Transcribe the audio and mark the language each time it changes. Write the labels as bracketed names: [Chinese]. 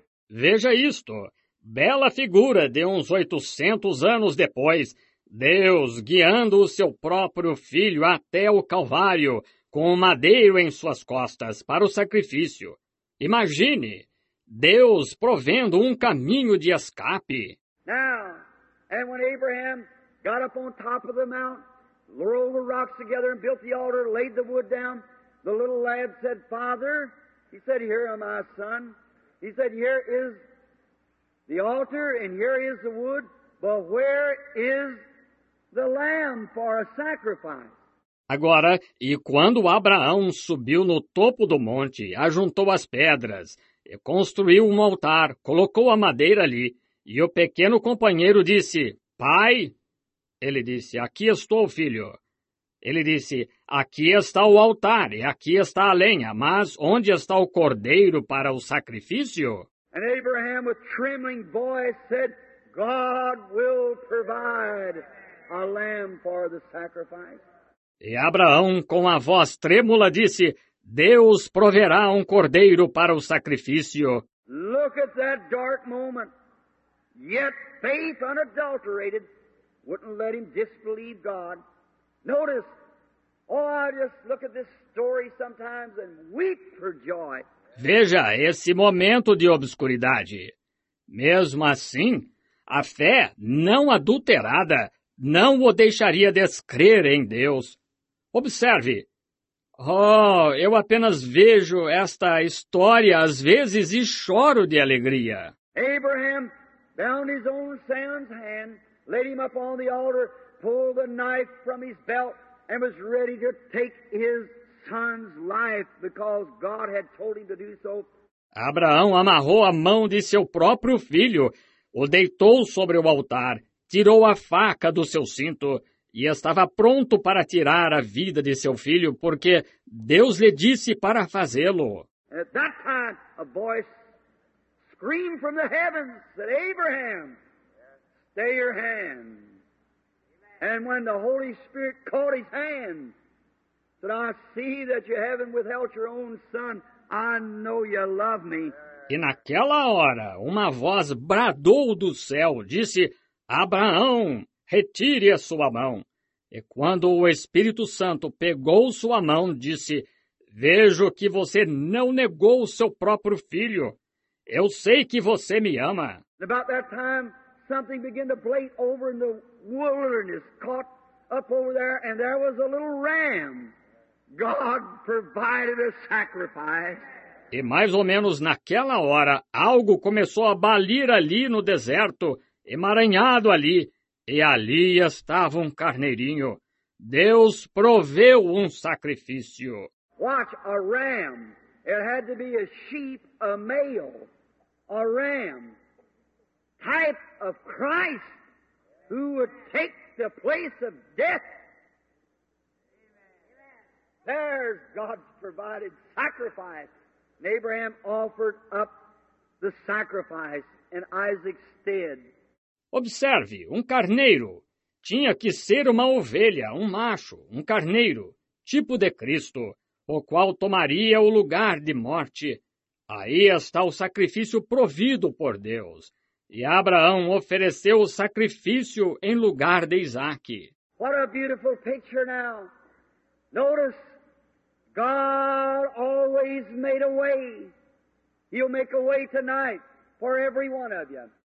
[Portuguese] Veja isto, bela figura de uns 800 anos depois, Deus guiando o seu próprio filho até o Calvário, com o madeiro em suas costas, para o sacrifício. Imagine, Deus provendo um caminho de escape. [English] Now, and when Abraham got up on top of the mount, rolled the rocks together and built the altar, laid the wood down, the little lad said, Father, he said, here am I, son. He said, here is the altar and here is the wood, but where is the lamb for a sacrifice? [Portuguese] Agora, e quando Abraão subiu no topo do monte, ajuntou as pedras e construiu um altar, colocou a madeira ali, e o pequeno companheiro disse, pai, ele disse, aqui estou, filho. Ele disse, aqui está o altar e aqui está a lenha, mas onde está o cordeiro para o sacrifício? [English] And Abraham, with trembling voice, said, God will provide a lamb for the sacrifice. [Portuguese] E Abraão, com a voz trêmula, disse, Deus proverá um cordeiro para o sacrifício. [English] Look at that dark moment. Yet faith unadulterated wouldn't let him disbelieve God. Notice, oh, I just look at this story sometimes and weep for joy. [Portuguese] Veja esse momento de obscuridade. Mesmo assim, a fé não adulterada não o deixaria descrer em Deus. Observe. Oh, eu apenas vejo esta história às vezes e choro de alegria. [English] Abraham bound his own son's hand, laid him up on the altar, pulled the knife from his belt and was ready to take his son's life because God had told him to do so. [Portuguese] Abraão amarrou a mão de seu próprio filho, o deitou sobre o altar, tirou a faca do seu cinto e estava pronto para tirar a vida de seu filho porque Deus lhe disse para fazê-lo. [English] At that time, a voice screamed from the heavens that Abraham, stay your hand. Amen. And when the Holy Spirit caught his hand, said, I see that you haven't withheld your own son. I know you love me. [Portuguese] E naquela hora, uma voz bradou do céu, disse, Abraão, retire a sua mão. E quando o Espírito Santo pegou sua mão, disse, vejo que você não negou o seu próprio filho. Eu sei que você me ama. [English] E about that time, something began to play over in the wilderness, caught up over there, and there was a little ram. God provided a sacrifice. [Portuguese] E mais ou menos naquela hora, algo começou a balir ali no deserto, emaranhado ali, e ali estava um carneirinho. Deus proveu um sacrifício. [English] Watch, a ram. It had to be a sheep, a male. A ram. Type of Christ who would take the place of death. There's God's provided sacrifice. And Abraham offered up the sacrifice in Isaac's stead. [Portuguese] Observe, um carneiro. Tinha que ser uma ovelha, um macho, um carneiro, tipo de Cristo, o qual tomaria o lugar de morte. Aí está o sacrifício provido por Deus. E Abraão ofereceu o sacrifício em lugar de Isaac. [English] What a beautiful picture now. Notice. God always made a way. He'll make a way tonight for every one of you.